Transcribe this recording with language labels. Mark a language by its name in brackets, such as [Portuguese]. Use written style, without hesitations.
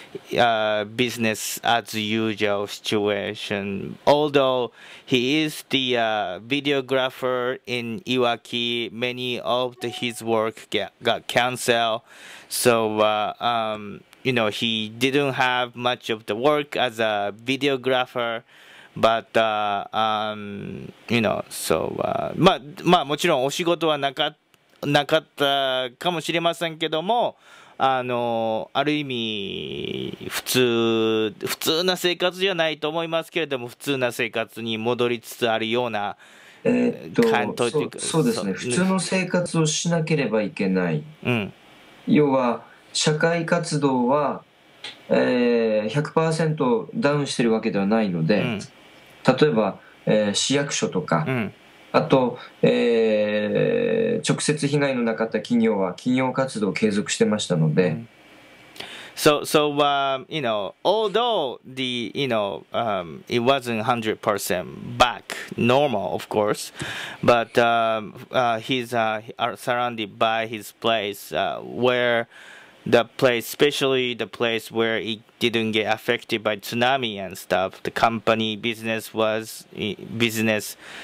[English] Business as usual situation. Although he is the videographer in Iwaki, many of his work got canceled. So, you know, he didn't have much of the work as a videographer. But, you know, so, [Japanese] もちろんお仕事はなかったかもしれませんけども、ある意味普通な生活じゃないと思いますけれども普通な生活に戻りつつあるような感じというか、そうですね、普通の生活をしなければいけない、要は社会活動は、100% ダウンしてるわけではないので、例えば、市役所とか、あと、直接被害のなかった企業は企業活動を継続してましたので、 [English] you know, although the, you know, it wasn't 100% back normal, of course, but he's surrounded by his place where the place, especially the place where it didn't get affected by tsunami and stuff, the company business.